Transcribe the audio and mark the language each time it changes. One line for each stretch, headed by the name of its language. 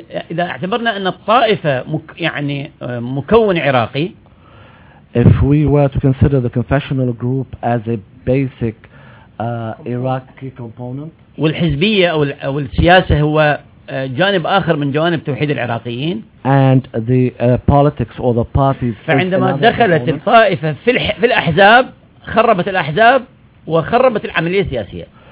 Arabic: إذا اعتبرنا أن الطائفة يعني مكون عراقي.
English: If we were to consider the confessional group as a basic Iraqi component.
Arabic: والحزبية أو السياسة هو جانب آخر من جوانب توحيد العراقيين.
English: And the politics or the parties.
Arabic: فعندما دخلت الطائفة في الأحزاب خربت الأحزاب وخربت العملية السياسية.